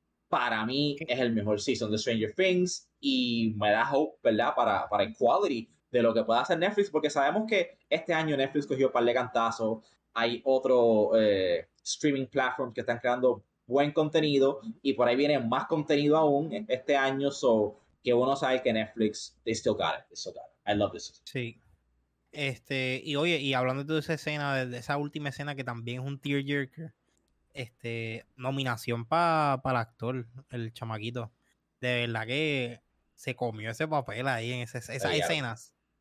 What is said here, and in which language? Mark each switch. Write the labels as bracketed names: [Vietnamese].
[Spanish] Para mí, es el mejor season de Stranger Things. Y me da hope, ¿verdad? Para el quality de lo que pueda hacer Netflix. Porque sabemos que este año Netflix cogió un par de cantazos. Hay otro streaming platform que están creando buen contenido. Y por ahí viene más contenido aún este año. [English] So, [Spanish] que uno sabe que [English] Netflix, they still got it. They still got it. I love this season. [Spanish] Sí. Y oye, y hablando de esa escena, de esa última escena que también es un tearjerker, nominación para el actor, el chamaquito. De verdad que se comió ese papel ahí en esas escenas.